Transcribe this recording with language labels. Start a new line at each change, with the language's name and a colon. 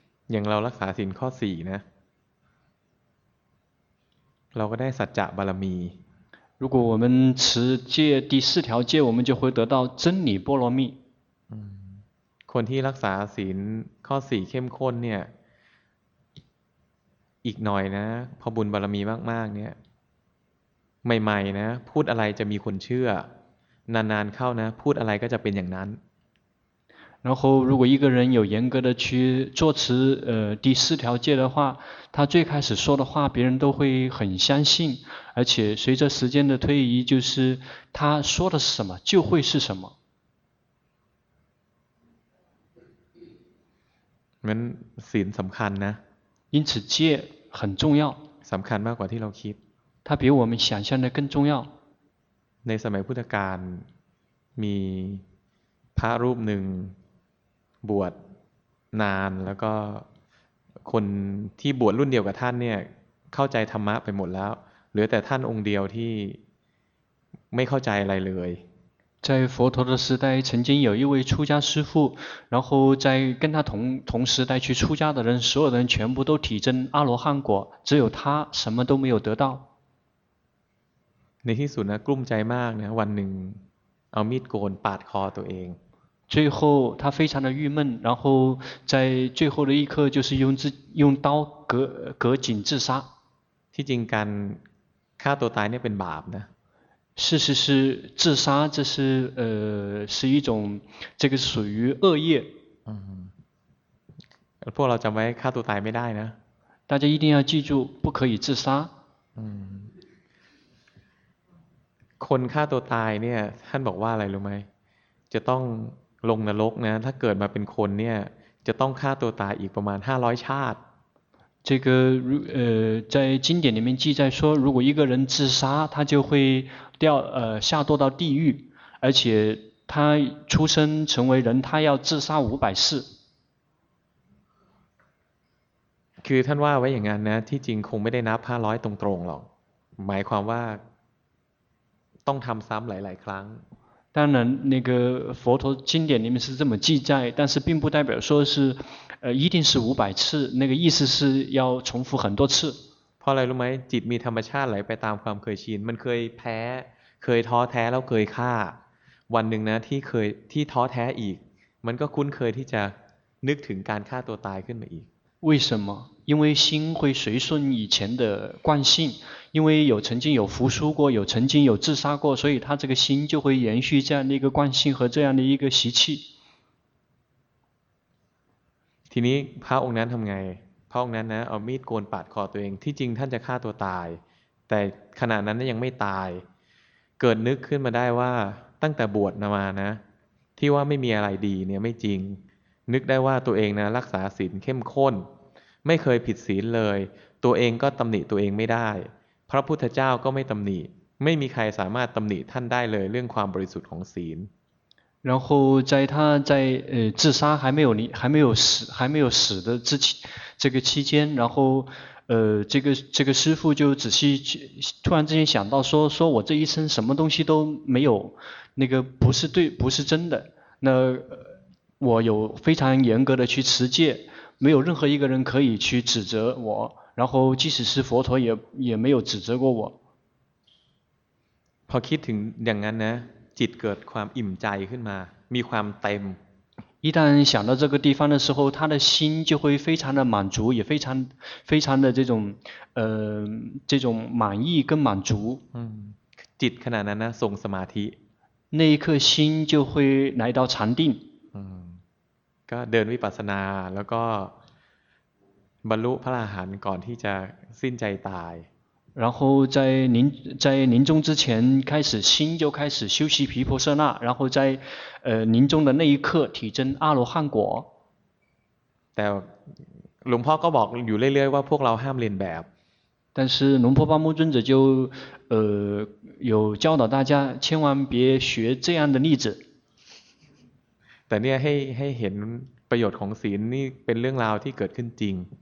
Thai: อย่างเรารักษาศีลข้อ4นะเราก็ได้สัจจะบารมี
Chinese: 如果我们持戒第四条戒我们就会得到真理波罗蜜
Thai: คนที่รักษาศีลข้อ4เข้มข้นเนี่ยอีกหน่อยนะพอบุญบารมีมากๆเนี่ยใหม่ๆนะพูดอะไรจะมีคนเชื่อนานๆเข้านะพูดอะไรก็จะเป็นอย่างนั้น
Chinese: 然后如果一个人有严格的去做持第四条戒的话他最开始说的话别人都会很相信而且随着时间的推移就是他说的是什么就会是什么
Thai: มันศีลสำคัญนะ
Chinese: 因此戒很重要
Thai: สำคัญมากกว่าที่เราคิด
Chinese: 它比我们想象的更重要
Thai: ในสมัยพุทธกาลมีพระรูปหนึ่งบวชนานแล้วก็คนที่บวชรุ่นเดียวกับท่านเนี่ยเข้าใจธรรมะไปหมดแล้วเหลือแต่ท่านองค์เดียวที่ไม่เข้าใจอะไรเลย
Chinese: 在佛陀的时代曾经有一位出家师父然后在跟他同时代去出家的人所有人全部都体证阿罗汉果只有他什么都没有得到
Thai: ในที่สุดนะกลุ้มใจมากนะวันหนึ่งเอามีดโกนปาดคอตัวเอง
Chinese: 最后他非常的郁闷然后在最后的一刻就是用刀割颈自杀
Thai: ที่จริงการฆ่าตัวตายเนี่ยเป็นบาปนะ
Chinese: 是是是，自杀这是是一种，这个属于恶业。嗯。
Thai: พวกเราจะไม่ฆ่าตัวตายไม่ได้นะ。
Chinese: 大家一定要记住，不可以自杀。嗯。
Thai: คนฆ่าตัวตายเนี่ยท่านบอกว่าอะไรรู้ไหมจะต้องลงนรกนะถ้าเกิดมาเป็นคนเนี่ยจะต้องฆ่าตัวตายอีกประมาณ500ชาติ
Chinese: 这个在经典里面记载说如果一个人自杀他就会掉下堕到地狱而且他出生成为人他要自杀500次
Thai: คือท่านว่าไว้อย่างนั้นนะที่จริงคงไม่ได้นับ500ตรงๆหรอกหมายความว่าต้องทำซ้ำหลายๆครั้ง
Chinese: 当然那个佛陀经典里面是这么记载但是并不代表说是一定是五百次那个意思是要重复很多次
Thai: เพราะอะไรรู้ไหมจิตมีธรรมชาติไหลไปตามความเคยชินมันเคยแพ้เคยท้อแท้แล้วเคยฆ่าวันหนึ่งนะที่เคยที่ท้อแท้อีกมันก็คุ้นเคยที่จะนึกถึงการฆ่าตัวตายขึ้นมาอีก
Chinese: 为什么因为心会随顺以前的惯性因为有曾经有服输过有曾经有自杀过所以他这个心就会延续这样的一个惯性和这样的一个习气
Thai: ทีนี้พระองค์นั้นทำไงพระองค์นั้นนะเอามีดโกนปาดคอตัวเองที่จริงท่านจะฆ่าตัวตายแต่ขณะนั้นยังไม่ตายเกิดนึกขึ้นมาได้ว่าตั้งแต่บวชมานะที่ว่าไม่มีอะไรดีเนี่ยไม่จริงนึกได้ว่าตัวเองนะรักษาศีลเข้มข้นไม่เคยผิดศีลเลยตัวเองก็ตำหนิตัวเองไม่ได้พระพุทธเจ้าก็ไม่ตำหนิไม่มีใครสามารถตำหนิท่านได้เลยเรื่องความบริสุทธิ์ของศีล
Chinese: 然后在他在自杀还没有死的之这个期间然后这个师父就仔细突然之间想到说我这一生什么东西都没有那个不是对不是真的那我有非常严格的去持戒没有任何一个人可以去指责我然后即使是佛陀也没有指责过我
Thai: พอคิดถึงอย่างนั้นนะจิตเกิดความอิ่มใจขึ้นมามีความเต็ม
Chinese: 一旦想到这个地方的时候他的心就会非常的满足也非常的这种满意跟满足
Thai: จิตขณะนั้นนะส่งสมาธิ
Chinese: 那一刻心就会来到禅定
Thai: ก็เดินวิปัสสนาแล้วก็บรรลุพระอรหันต์ก่อนที่จะสิ้นใจตาย
Chinese: 然后在临终之前开始心就开始修习毗婆舍那然后在临终的那一刻体证阿罗汉果
Thai: แต่หลวงพ่อก็บอกอยู่เรื่อยๆว่าพวกเราห้ามเรียนแบบ
Chinese: 但是龙婆巴木尊者就有教导大家千万别学这样的例子
Thai: แต่เนี่ยให้เห็นประโยชน์ของศีลนี่เป็นเรื่องราวที่เกิดขึ้นจริง